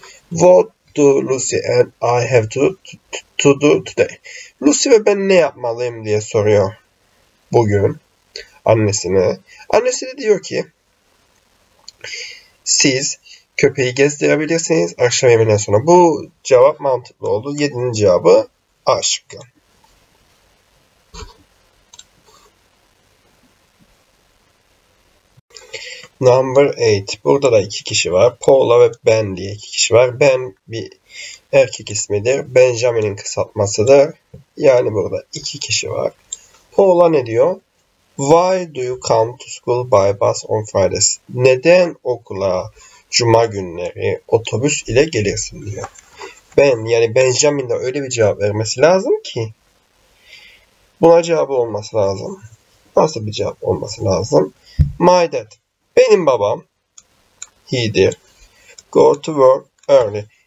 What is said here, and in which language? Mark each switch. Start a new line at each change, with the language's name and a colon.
English: What do Lucy and I have to do today?
Turkish: Lucy ve ben ne yapmalıyım diye soruyor bugün annesine. Annesi de diyor ki siz köpeği gezdirebilirsiniz akşam yemeğinden sonra. Bu cevap mantıklı oldu. Yedinci cevabı A şıkkı. Number 8. Burada da iki kişi var. Paula ve Ben diye iki kişi var. Ben bir erkek ismidir. Benjamin'in kısaltmasıdır. Yani burada iki kişi var. Paula ne diyor?
English: Why do you come to school by bus on Fridays?
Turkish: Neden okula cuma günleri otobüs ile gelirsin diyor. Ben yani Benjamin de öyle bir cevap vermesi lazım ki. Buna cevabı olması lazım. Nasıl bir cevap olması lazım? My dad.
English: Benim babam he'dir. Go to work early.